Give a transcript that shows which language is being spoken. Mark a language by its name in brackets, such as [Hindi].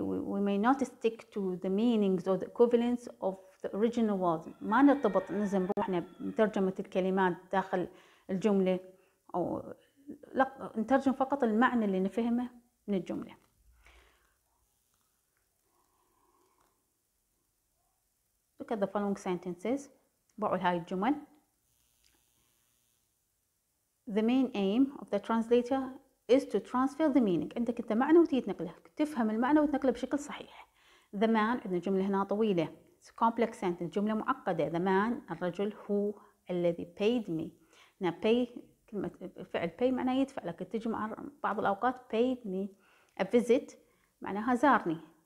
[English] We may not stick to the meanings or the equivalents of the original words. [Arabic] ما نرتبط نزم روحنا بترجمة الكلمات داخل الجملة أو لا نترجم فقط المعنى اللي نفهمه من الجملة. [English] Look at the following sentences. [Arabic] بعوا هاي الجمل. [English] The main aim of the translator is to transfer the meaning. [Arabic] عندك انت معنى وتيجي تنقله، تفهم المعنى وتنقله بشكل صحيح. [English] The man، [Arabic] عندنا جملة هنا طويلة. [English] It's a complex sentence، [Arabic] جملة معقدة. [English] The man، [Arabic] الرجل، هو الذي [English] paid me. [Arabic] Now pay، كلمة فعل pay معناها يدفع، لكن تجي مع بعض الأوقات [English] paid me a visit [Arabic] معناها زارني.